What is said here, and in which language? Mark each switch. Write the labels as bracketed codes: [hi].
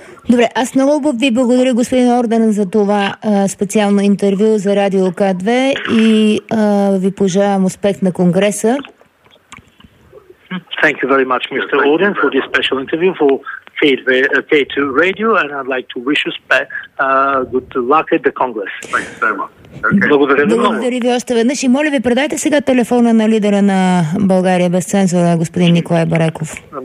[bg] Добре, аз много ви благодаря, господин Орден, за това специално интервю за Радио К2 и ви пожелавам успех на конгреса. [en] Thank you very much, Mr. Orden, for this special interview for K2 Radio, and I'd like to wish you good luck at the Congress. Thank you so much. [bg] Благодаря ви още веднъж и моля ви, предайте сега телефона на лидера на България без цензура, господин Николай Бареков.